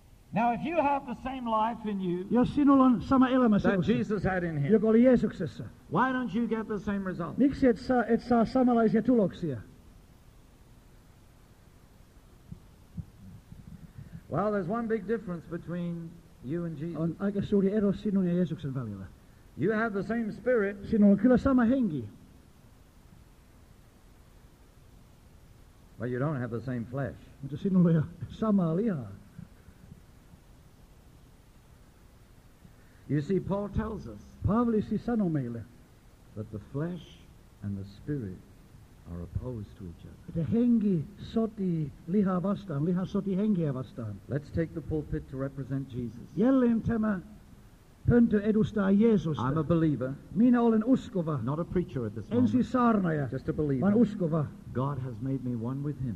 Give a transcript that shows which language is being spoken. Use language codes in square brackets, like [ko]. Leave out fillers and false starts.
[en] Now, if you have the same life in you, [fi] jos sinulla on sama elämä sinussa, [en] that Jesus had in him, [fi] joka oli Jeesuksessa, [en] why don't you get the same result? [fi] Miksi et saa samanlaisia tuloksia? [en] Well, there's one big difference between you and Jesus. [fi] On aika suuri ero sinun ja Jeesuksen välillä. [en] You have the same spirit. [fi] Sinulla on kyllä sama henki. [en] But you don't have the same flesh. [fi] Mutta sinulla ei ole samaa lihaa. [en] You see, Paul tells us. [fi] Paavali siis sanoo meille. [en] That the flesh and the spirit are opposed to each other. [fi] Että henki sotii lihaa vastaan, liha sotii henkeä vastaan. [en] Let's take the pulpit to represent Jesus. [fi] Jälleen tämä pönttö edustaa Jeesusta. [en] I'm a believer. [fi] Minä olen uskova. [en] Not a preacher at this moment. [fi] En siis saarnaja. [en] Just a believer. [fi] Vaan uskova. [en] God has made me one with him.